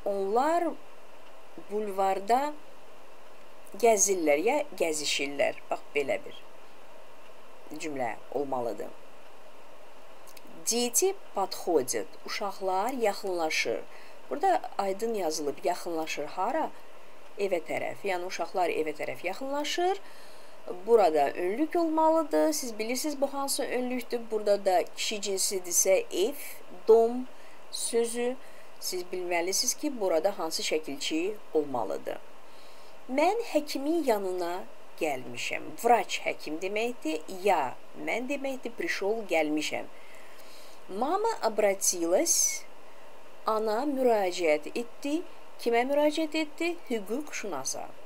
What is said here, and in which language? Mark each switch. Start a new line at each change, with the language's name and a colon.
Azerbaijani: Onlar bulvarda gəzirlər ya gəzişirlər. Bax, belə bir cümlə olmalıdır.
Russian: Дети подходят.
Azerbaijani: Uşaqlar yaxınlaşır. Burada aydın yazılıb, yaxınlaşır hara? Evə tərəf. Yəni, uşaqlar evə tərəf yaxınlaşır. Burada önlük olmalıdır. Siz bilirsiniz, bu hansı önlükdür. Burada da kişi cinsidirsə, if, dom sözü. Siz bilməlisiniz ki, burada hansı şəkilçi olmalıdır. Mən həkimin yanına gəlmişəm. Vraç həkim deməkdir. Ya, mən deməkdir, prişol gəlmişəm.
Russian: Mama обратилась...
Azerbaijani: Ana müraciət etdi. Kimə müraciət etdi? Hüquq şunasa.